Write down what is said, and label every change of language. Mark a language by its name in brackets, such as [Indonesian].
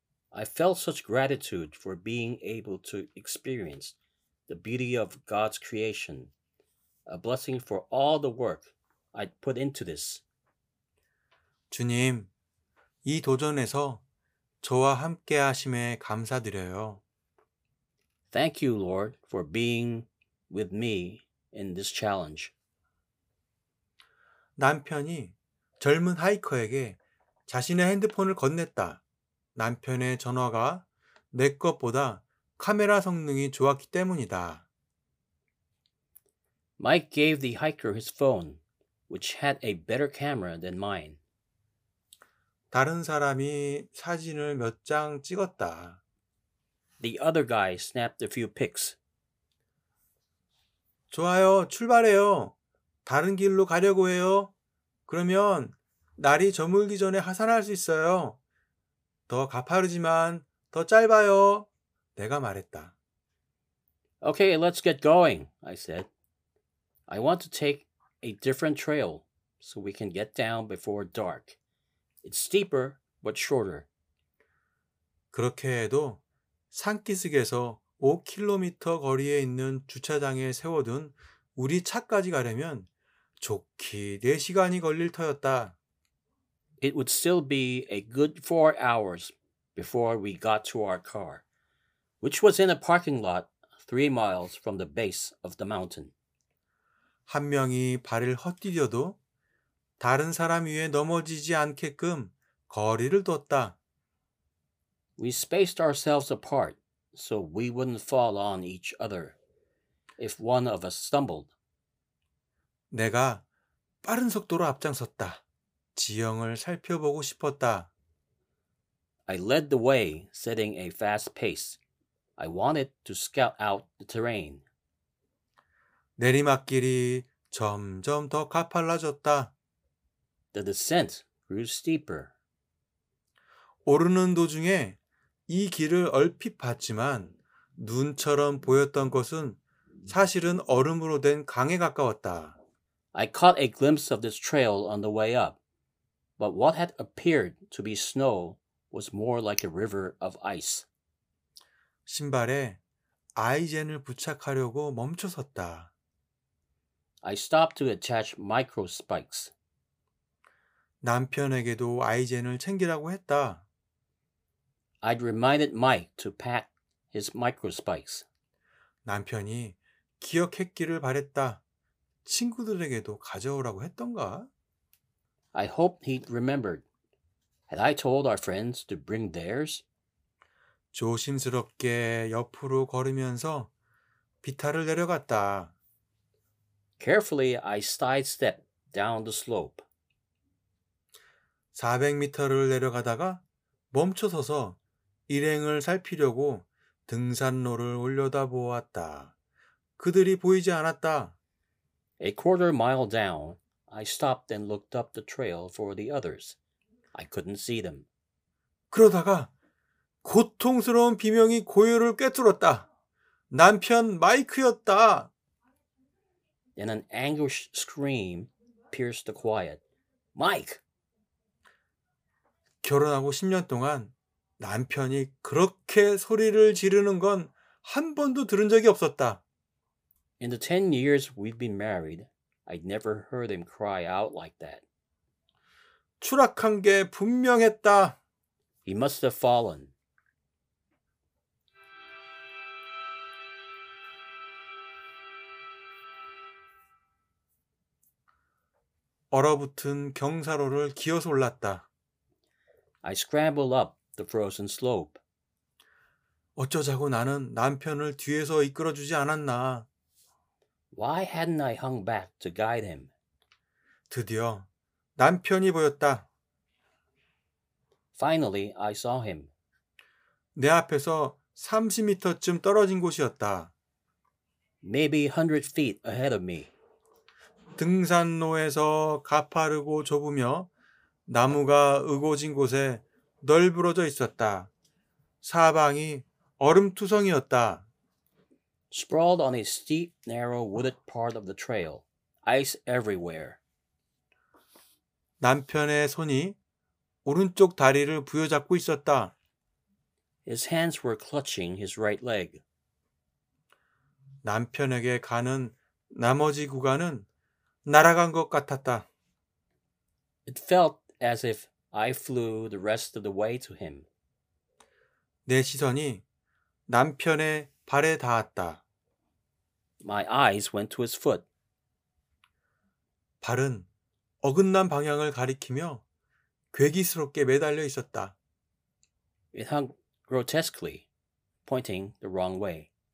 [English] I felt such gratitude for being able to experience the beauty of God's creation, a blessing for all the work I'd put into this. [Korean] 주님, 이 도전에서 저와 함께 하심에 감사드려요. [English] Thank you, Lord, for being with me in this challenge. [Korean] 남편이 젊은 하이커에게 자신의 핸드폰을 건넸다. 남편의 전화가 내 것보다 카메라 성능이 좋았기 때문이다. [English] Mike gave the hiker his phone, which had a better camera than mine. [Korean] 다른 사람이 사진을 몇 장 찍었다. [English] The other guy snapped a few pics. [Korean] 좋아요, 출발해요. 다른 길로 가려고 해요. 그러면 날이 저물기 전에 하산할 수 있어요. 더 가파르지만 더 짧아요. 내가 말했다. [English] Okay, let's get going, I said. I want to take a different trail so we can get down before dark. It's steeper but shorter. [Korean] 그렇게 해도 산기슭에서 5km 거리에 있는 주차장에 세워둔 우리 차까지 가려면 좋게 4시간이 걸릴 터였다. [English] It would still be a good 4 hours before we got to our car, which was in a parking lot 3 miles from the base of the mountain. [Korean] 한 명이 발을 헛디뎌도 다른 사람 위에 넘어지지 않게끔 거리를 뒀다. [English] We spaced ourselves apart so we wouldn't fall on each other if one of us stumbled. [Korean] 내가 빠른 속도로 앞장섰다. 지형을 살펴보고 싶었다. [English] I led the way, setting a fast pace. I wanted to scout out the terrain. [Korean] 내리막길이 점점 더 가팔라졌다. [English] The descent grew steeper. [Korean] 오르는 도중에 이 길을 얼핏 봤지만 눈처럼 보였던 것은 사실은 얼음으로 된 강에 가까웠다. [English] I caught a glimpse of this trail on the way up, but what had appeared to be snow was more like a river of ice. [Korean] 신발에 아이젠을 부착하려고 멈춰섰다. [English] I stopped to attach micro spikes. [Korean] 남편에게도 아이젠을 챙기라고 했다. [English] I'd reminded Mike to pack his micro spikes. [Korean] 남편이 기억했기를 바랬다. 친구들에게도 가져오라고 했던가? [English] I hoped he'd remembered. Had I told our friends to bring theirs? [Korean] 조심스럽게 옆으로 걸으면서 비탈을 내려갔다. [English] Carefully, I sidestepped down the slope. [Korean] 400m를 내려가다가 멈춰서서 일행을 살피려고 등산로를 올려다보았다. 그들이 보이지 않았다. [English] A quarter mile down, I stopped and looked up the trail for the others. I couldn't see them. [Korean] 그러다가 고통스러운 비명이 고요를 꿰뚫었다. 남편 마이크였다. [English] And an anguished scream pierced the quiet. Mike! [Korean] 결혼하고 10년 동안 남편이 그렇게 소리를 지르는 건 한 번도 들은 적이 없었다. [English] In the 10 years we've been married, I'd never heard him cry out like that. [Korean] 추락한 게 분명했다. [English] He must have fallen. [Korean] 얼어붙은 경사로를 기어서 올랐다. [English] I scrambled up the frozen slope. [Korean] 어쩌자고 나는 남편을 뒤에서 이끌어주지 않았나? [English] Why hadn't I hung back to guide him? [Korean] 드디어 남편이 보였다. [English] Finally, I saw him. [Korean] 내 앞에서 30m쯤 떨어진 곳이었다. [English] Maybe 100 feet ahead of me. [Korean] 등산로에서 가파르고 좁으며 나무가 으고진 곳에 널브러져 있었다. 사방이 얼음투성이었다. [English] Sprawled on a steep, narrow, wooded part of the trail. Ice everywhere. [Korean] 남편의 손이 오른쪽 다리를 부여잡고 있었다. [English] His hands were clutching his right leg. [Korean] 남편에게 가는 나머지 구간은 날아간 것 같았다. [English] It felt as if I flew the rest of the way to him. [Korean] 내 시선이 남편의 발에 닿았다. [English] My eyes went to his foot. [Korean] 발은 어긋난 방향을 가리키며 괴기스럽게 매달려 있었다. [English] It hung grotesquely, pointing the wrong way.